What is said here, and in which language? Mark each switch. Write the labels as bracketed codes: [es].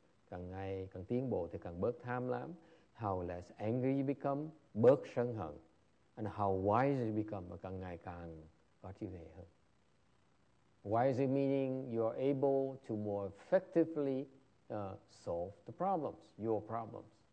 [vi] Càng ngày càng tiến bộ thì càng bớt tham lam. [en] How less angry you become, [vi] bớt sân hận. [en] And how wiser you become, [vi] và càng ngày càng có trí huệ hơn. [en] Wiser meaning you are able to more effectively solve the problems, your problems.